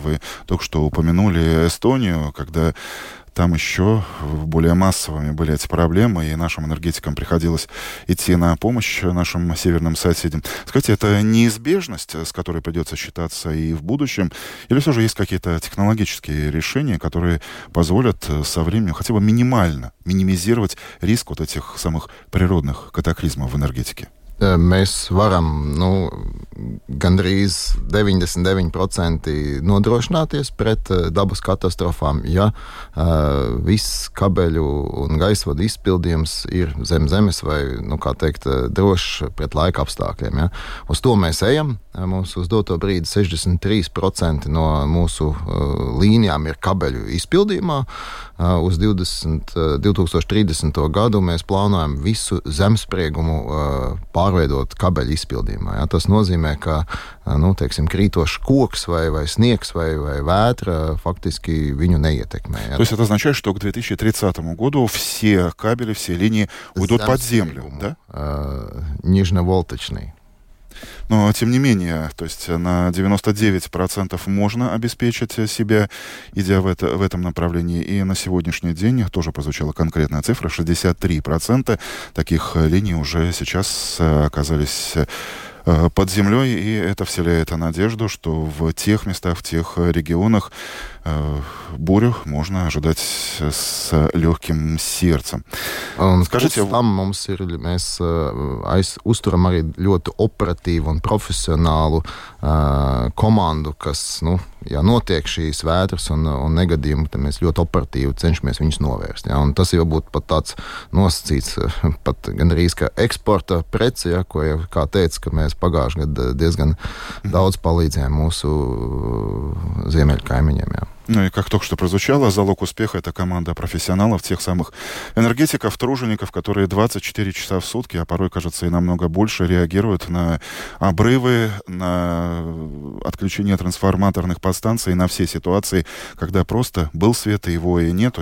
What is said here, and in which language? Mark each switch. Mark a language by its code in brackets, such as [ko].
[ru] Вы только что упомянули Эстонию, когда там еще более массовыми были эти проблемы, и нашим энергетикам приходилось идти на помощь нашим северным соседям. Скажите, это неизбежность, с которой придется считаться и в будущем, или все же есть какие-то технологические решения, которые позволят со временем хотя бы минимально минимизировать риск вот этих самых природных катаклизмов в энергетике? [lv] Mēs varam, nu, gandrīz 99% nodrošināties pret dabas katastrofām, ja viss kabeļu un gaisvadu izpildījums ir zem zemes vai, nu, kā teikt, drošs pret laika apstākļiem. Ja. Uz to mēs ejam. Mums uz doto brīdi 63% no mūsu līnijām ir kabeļu izpildījumā. Uz 2030. Gadu mēs plānojam visu zemspriegumu pārveidot kabeļu izpildījumā. Ja, tas nozīmē, ka, nu, teiksim, krītošs koks vai sniegs vai vētra faktiski viņu neietekmē. Ja. [ru] То есть это означает, что к 2030 году все кабели, все линии уйдут под землю, да? Нижневолточный. Но, тем не менее, то есть на 99% можно обеспечить себя, идя в этом направлении. И на сегодняшний день тоже прозвучала конкретная цифра. 63% таких линий уже сейчас оказались под землей. И это вселяет надежду, что в тех местах, в тех регионах бурю можно ожидать с легким сердцем. Скажите, там мы устроим очень оперативную и профессиональную команду, которая, ну, [lv] ja notiek šīs vētras un negadījumi, tad mēs ļoti operatīvi cenšamies viņus novērst. Ja? Un tas jau būtu pat tāds nosacīts, pat gandrīz kā eksporta preci, ja? Ko jau kā teica, ka mēs pagājušajā gadā diezgan daudz palīdzējām mūsu ziemeļu kaimiņiem. Ja? [ru] Ну и как только что прозвучало, залог успеха – это команда профессионалов, тех самых энергетиков, тружеников, которые 24 часа в сутки, а порой, кажется, и намного больше, реагируют на обрывы, на отключение трансформаторных подстанций, на все ситуации, когда просто был свет, и его и нету.